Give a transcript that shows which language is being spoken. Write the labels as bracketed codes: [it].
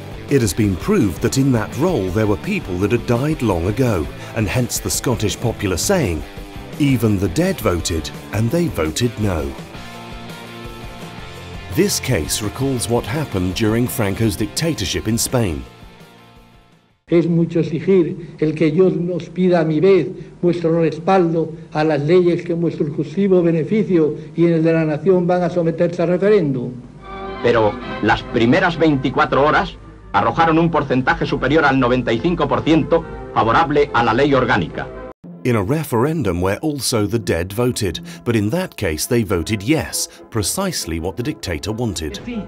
[en] It has been proved that in that roll there were people that had died long ago, and hence the Scottish popular saying, "Even the dead voted, and they voted no." This case recalls what happened during Franco's dictatorship in Spain. [es] Es mucho exigir el que Dios nos pida a mi vez vuestro respaldo a las leyes que en vuestro exclusivo beneficio y en el de la nación van a someterse a referéndum. Pero las primeras 24 horas arrojaron un porcentaje superior al 95% favorable a la ley orgánica. [en] In a referendum where also the dead voted, but in that case they voted yes, precisely what the dictator wanted.